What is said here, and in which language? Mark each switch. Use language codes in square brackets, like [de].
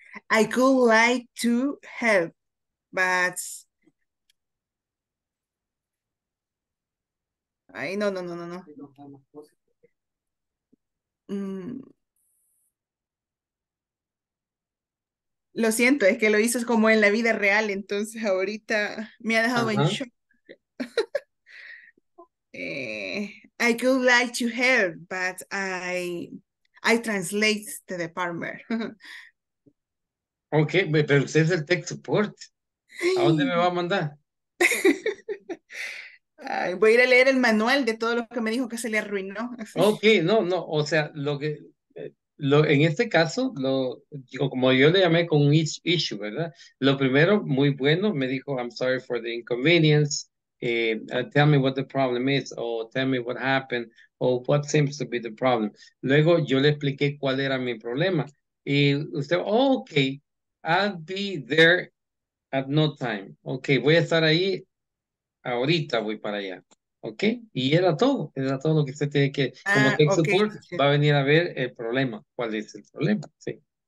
[en] I could like to help, but I no. [es] Lo siento, es que lo hizo como en la vida real, entonces ahorita me ha dejado en shock. [en] I could like to help, but I translate the department. [es] Ok, pero usted es el tech support. ¿A dónde me va a mandar? Voy a ir a leer el manual de todo lo que me dijo que se le arruinó. Así. Ok, no, o sea, en este caso, como yo le llamé con un issue, ¿verdad? Lo primero, muy bueno, me dijo, [en] I'm sorry for the inconvenience. Tell me what the problem is, or tell me what happened, or what seems to be the problem. [es] Luego, yo le expliqué cuál era mi problema. Y usted, [en] oh, ok, I'll be there at no time. [es] Ok, voy a estar ahí, ahorita voy para allá. Ok, y era todo lo que usted tiene que, como tech support, okay. Va a venir a ver el problema, cuál es el problema, sí.